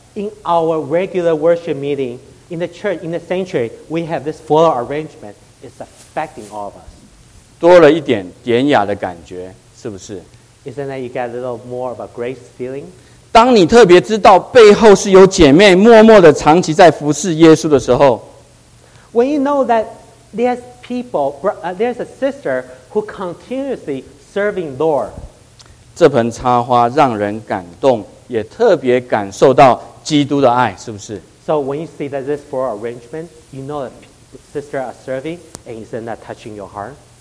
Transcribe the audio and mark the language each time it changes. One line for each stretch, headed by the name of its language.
English: In our regular worship meeting in the church in the sanctuary, we have this floral arrangement. It's affecting all of us.
Chinese: 多了一点典雅的感觉，是不是？
English: Isn't that you get a little more of a grace feeling?
Chinese: 当你特别知道背后是有姐妹默默的长期在服侍耶稣的时候。
English: When you know that there's people, there's a sister who continuously serving Lord.
Chinese: 这盆插花让人感动，也特别感受到基督的爱，是不是？
English: So when you see that this floral arrangement, you know that sister are serving, and isn't that touching your heart?